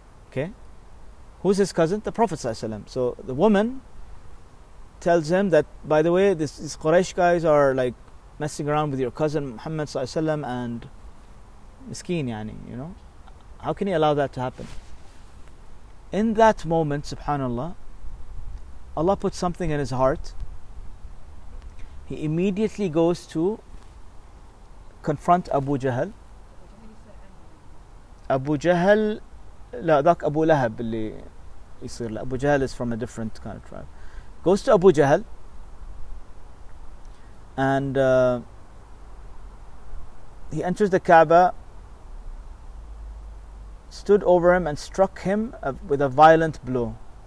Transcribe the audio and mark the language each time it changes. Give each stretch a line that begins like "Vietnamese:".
English: Okay? Who's his cousin? The Prophet ﷺ. So the woman tells him that, by the way, these Quraysh guys are like messing around with your cousin Muhammad ﷺ and miskeen, yani, you know. How can he allow that to happen? In that moment, subhanAllah, Allah put something in his heart He immediately goes to confront Abu Jahl.
Arabic: Abu Jahl, لا ذاك أبو لهب اللي يصير له.
English: Abu Jahl is from a different kind of tribe. Goes to Abu Jahl and he enters the Kaaba, stood over him and struck him with a violent blow.